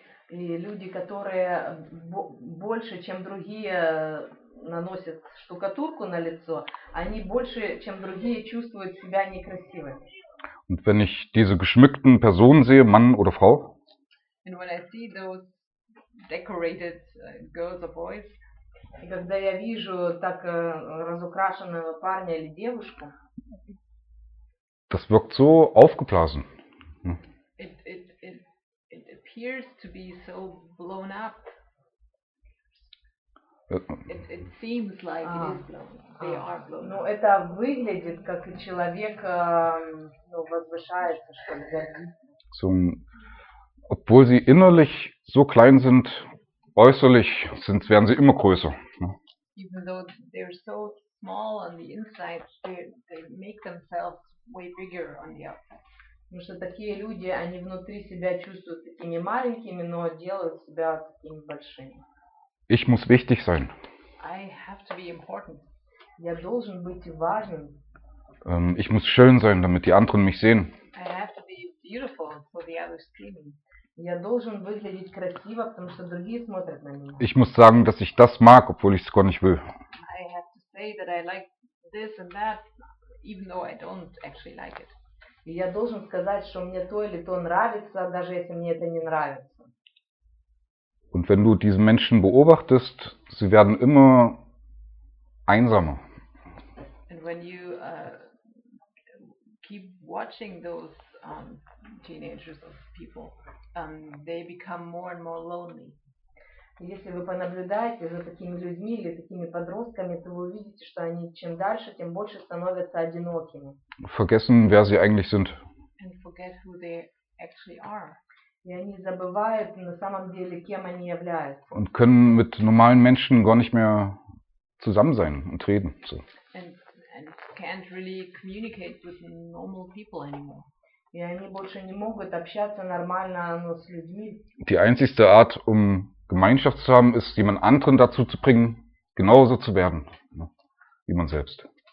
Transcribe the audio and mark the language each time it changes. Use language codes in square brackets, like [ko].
[ru] И люди, которые больше, чем другие, наносят штукатурку на лицо, они больше, чем другие, чувствуют себя некрасивыми. [de] Und wenn ich diese geschmückten Personen sehe, Mann oder Frau, [en] and when I see those decorated girls or boys, [ru] и когда я вижу так разукрашенного парня или девушку, [de] das wirkt so aufgeblasen. [en] It appears to be so blown up. It seems like it is blown. They are blown. [ru] Ну, это выглядит, как человек возвышается, что ли. [de] Obwohl sie innerlich so klein sind, äußerlich sind, werden sie immer größer. [en] Even though they're so small on the inside, they make themselves way bigger on the outside. [ru] Потому что такие люди, они внутри себя чувствуют такими маленькими, но делают себя такими большими. [de] Ich muss wichtig sein. [en] I have to be important. [ru] Я должен быть важным. [de] Ich muss schön sein, damit die anderen mich sehen. [en] I have to be beautiful for the others to see me. [ru] Я должен выглядеть красиво, потому что другие смотрят на меня. [de] Ich muss sagen, dass ich das mag, obwohl ich es gar nicht will. [en] I have to say that I like this and that, even though I don't actually like it. [ru] Я должен сказать, что мне то или то нравится, даже если мне это не нравится. [de] Und wenn du diese Menschen beobachtest, sie werden immer einsamer. [en] And when you keep watching those teenagers of people, they become more and more lonely. [ru] Если вы понаблюдаете за такими людьми или такими подростками, то вы увидите, что они чем дальше, тем больше становятся одинокими. [de] Vergessen, wer sie eigentlich sind. [en] And forget who they actually are. [ru] И они забывают на самом деле, кем они являются. [de] Und können mit normalen Menschen gar nicht mehr zusammen sein und reden. So. [en] And can't really communicate with normal people anymore. [ru] И они больше не могут общаться нормально с людьми. [de] Die einzigste Art, Gemeinschaft zu haben, ist, jemand anderen dazu zu bringen, genauso zu werden, wie man selbst.